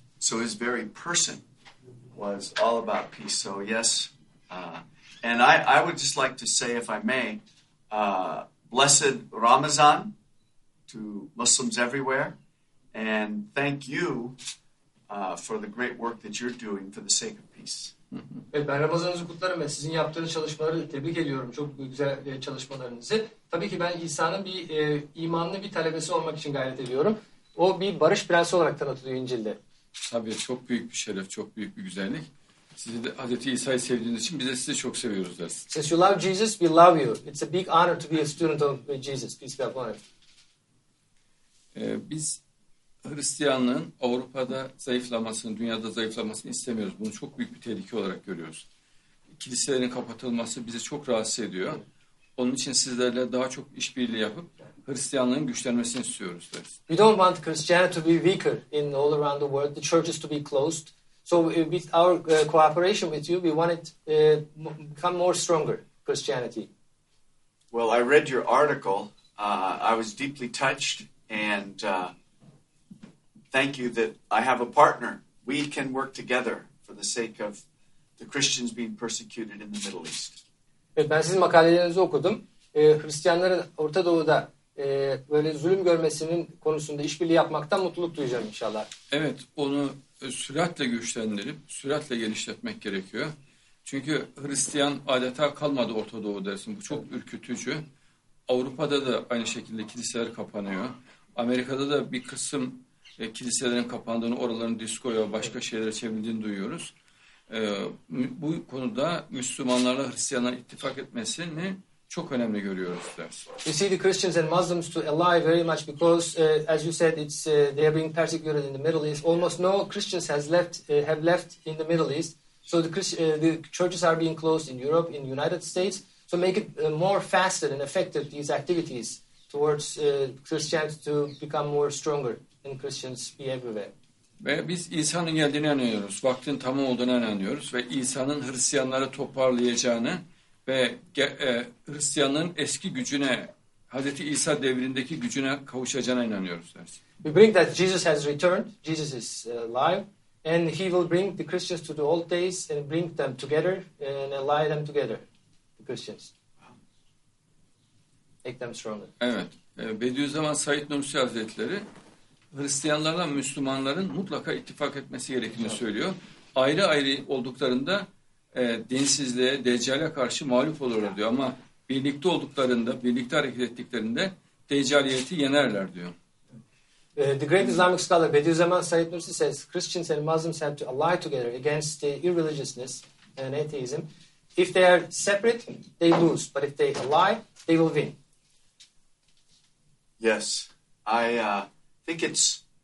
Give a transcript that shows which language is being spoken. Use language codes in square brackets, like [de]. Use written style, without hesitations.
[en] So his very person was all about peace. So yes, and I would just like to say, if I may, blessed Ramadan to Muslims everywhere, and thank you for the great work that you're doing for the sake of peace. [tr] Evet, ben Ramazan'ınızı kutlarım ve sizin yaptığınız çalışmaları tebrik ediyorum. Çok güzel çalışmalarınızı. Tabii ki ben İsa'nın bir imanlı bir talebesi olmak için gayret ediyorum. O bir barış prensi olarak tanıtılıyor İncil'de. Tabii çok büyük bir şeref, çok büyük bir güzellik. Sizi de Hazreti İsa'yı sevdiğiniz için biz de sizi çok seviyoruz dersin. [en] Since you love Jesus, we love you. It's a big honor to be a student of Jesus. Peace be upon you. [tr] Biz Hristiyanlığın Avrupa'da zayıflamasını, dünyada zayıflamasını istemiyoruz. Bunu çok büyük bir tehlike olarak görüyoruz. Kiliselerin kapatılması bizi çok rahatsız ediyor. Onun için sizlerle daha çok işbirliği yapıp Hristiyanlığın güçlenmesini istiyoruz dersin. [en] We don't want Christianity to be weaker in all around the world. The churches to be closed. So with our cooperation with you, we want it to become more stronger, Christianity. Well, I read your article. I was deeply touched. And thank you that I have a partner. We can work together for the sake of the Christians being persecuted in the Middle East. [tr] Evet, ben sizin makalelerinizi okudum. Hristiyanların Orta Doğu'da böyle zulüm görmesinin konusunda işbirliği yapmaktan mutluluk duyacağım inşallah. Evet, onu süratle güçlendirip, süratle genişletmek gerekiyor. Çünkü Hristiyan adeta kalmadı Orta Doğu dersin. Bu çok ürkütücü. Avrupa'da da aynı şekilde kiliseler kapanıyor. Amerika'da da bir kısım kiliselerin kapandığını, oraların diskoya, başka şeylere çevrildiğini duyuyoruz. Bu konuda Müslümanlarla Hristiyanlar ittifak etmesini çok önemli görüyoruz dersin. [en] You see the Christians and Muslims to ally very much because, as you said, it's they are being persecuted in the Middle East. Almost no Christians have left in the Middle East. So the churches are being closed in Europe, in United States. So make it more faster and effective these activities towards Christians to become more stronger and Christians be everywhere. [tr] Ve biz İsa'nın geldiğine inanıyoruz, vaktin tamam olduğuna inanıyoruz ve İsa'nın Hristiyanları toparlayacağını ve Hristiyanlığın eski gücüne, Hazreti İsa devrindeki gücüne kavuşacağına inanıyoruz dersin. [en] We bring that Jesus has returned, Jesus is alive, and he will bring the Christians to the old days and bring them together and ally them together, the Christians. Make them stronger. [tr] Evet, Bediüzzaman Said Nursi Hazretleri Hristiyanlarla Müslümanların mutlaka ittifak etmesi gerektiğini söylüyor. Ayrı ayrı olduklarında dinsizliğe, deccale karşı mağlup olurlar diyor. Ama birlikte olduklarında, birlikte hareket ettiklerinde deccaliyeti yenerler diyor. [en] The great Islamic scholar Bediüzzaman Said Nursi says, Christians and Muslims have to ally together against the irreligiousness and atheism. If they are separate, they lose. But if they ally, they will win. Yes. I think it's